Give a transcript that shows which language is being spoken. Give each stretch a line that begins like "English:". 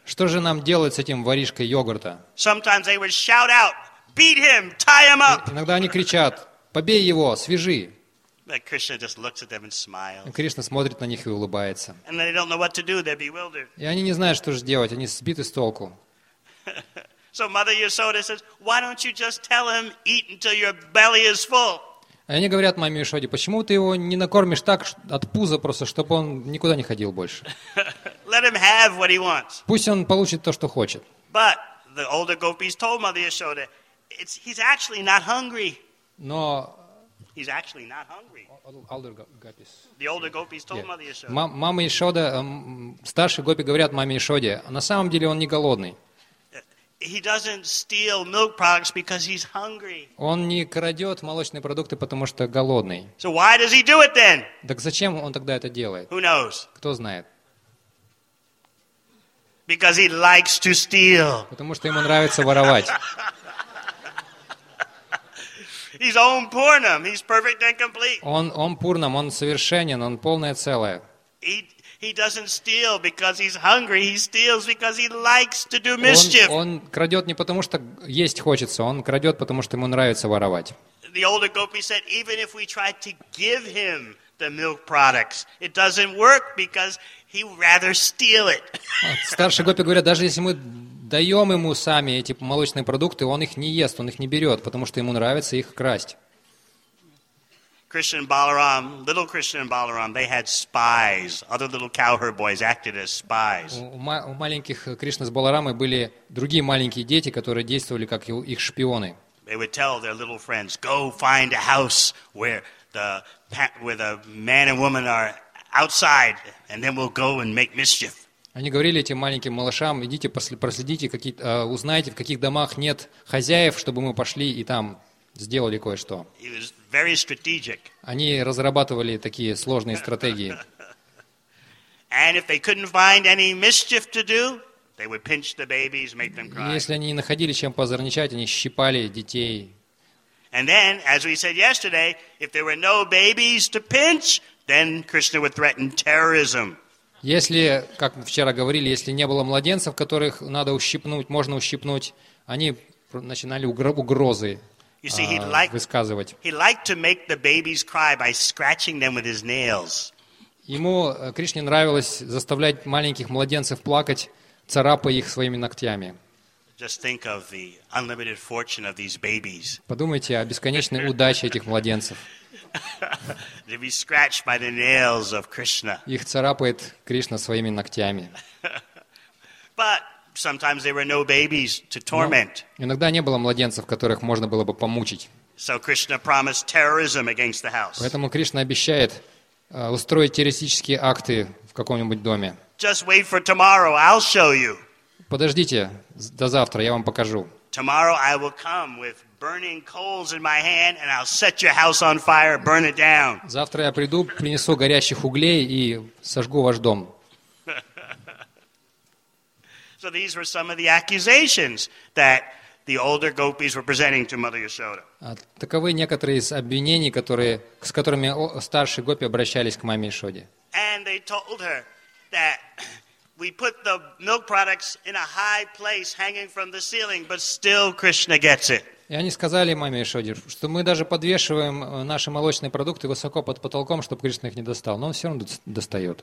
Russian: Что же нам делать с этим воришкой йогурта?
English: Sometimes they would shout out, "Beat him, tie him up!"
Russian: Иногда они кричат: "Побей его, свяжи!"
English: But Krishna just looks at them and smiles.
Russian: И Кришна смотрит на них и улыбается.
English: And they don't know what to do; they're bewildered.
Russian: И они не знают, что же делать. Они сбиты с толку.
English: So Mother Yashoda says, "Why don't you just tell him eat until your belly is full?"
Russian: Они говорят маме Яшоде, почему ты его не накормишь так от пуза просто, чтобы он никуда не ходил больше?
English: Let him have what he wants.
Russian: Пусть он получит то, что хочет.
English: But the older gopis told Mother Yashoda, he's actually not hungry.
Russian: Но
English: he's actually not hungry. Older gopis. The older gopis told Mother Yashoda.
Russian: Мама Яшода, старшие гопи говорят маме Яшоде, на самом деле он не голодный.
English: He doesn't steal milk products because he's hungry.
Russian: Он не крадет молочные продукты, потому что голодный.
English: So why does he do it then?
Russian: Так зачем он тогда это делает?
English: Who knows?
Russian: Кто знает?
English: Because he likes to steal.
Russian: Потому что ему нравится воровать.
English: He's Om Purnam. He's perfect and complete.
Russian: Он Om Purnam. Он совершенен. Он полное целое.
English: He doesn't steal because he's hungry. He steals because he likes to do mischief.
Russian: Он крадет не потому что есть хочется. Он крадет потому что ему нравится воровать.
English: The older gopi said, even if we tried to give him the milk products, it doesn't work because he rather steal it.
Russian: Старшие гопи говорят, даже если мы даем ему сами эти молочные продукты, он их не ест, он их не берет, потому что ему нравится их красть.
English: Krishna and Balaram, little Krishna and Balaram, they had spies. Other little cowherd boys acted as spies.
Russian: У маленьких Кришна с Баларамой были другие маленькие дети, которые действовали как их шпионы.
English: They would tell their little friends, "Go find a house where the man and woman are outside, and then we'll go and make mischief."
Russian: Они говорили этим маленьким малышам: "Идите, проследите, узнайте, в каких домах нет хозяев, чтобы мы пошли и там сделали кое-что."
English: He was very strategic.
Russian: Они разрабатывали такие сложные стратегии.
English: And if they couldn't find any mischief to do, they would pinch the babies, make them cry.
Russian: Если они не находили чем позорничать, они щипали детей.
English: And then, as we said yesterday, if there were no babies to pinch, then Krishna would threaten terrorism.
Russian: Если, как мы вчера говорили, если не было младенцев, которых надо ущипнуть, можно ущипнуть, они начинали угрозы.
English: You see, he liked to make the babies cry by scratching them with his nails.
Russian: Ему Кришне нравилось заставлять маленьких младенцев плакать, царапая их своими ногтями.
English: Just think of the unlimited fortune of these babies.
Russian: Подумайте о бесконечной удаче этих младенцев.
English: They'd be scratched by the nails of Krishna.
Russian: Их царапает Кришна своими ногтями.
English: But sometimes there were no babies to torment.
Russian: Иногда не было младенцев, которых можно было бы помучить.
English: So Krishna promised terrorism against the house.
Russian: Поэтому Кришна обещает устроить террористические акты в каком-нибудь доме.
English: Just wait for tomorrow, I'll show you.
Russian: Подождите до завтра, я вам покажу.
English: Tomorrow I will come with burning coals in my hand and I'll set your house on fire, burn it down.
Russian: Завтра я приду, принесу горящих углей и сожгу ваш дом.
English: So these were some of the accusations that the older gopis were presenting to Mother Yashoda.
Russian: Таковы некоторые из обвинений, с которыми старшие гопи обращались к маме Яшоде.
English: And they told her that We put the milk products in a high place, hanging from the ceiling, but still Krishna gets it.
Russian: И они сказали маме Яшоде, что мы даже подвешиваем наши молочные продукты высоко под потолком, чтобы Кришна их не достал, но он все равно достает.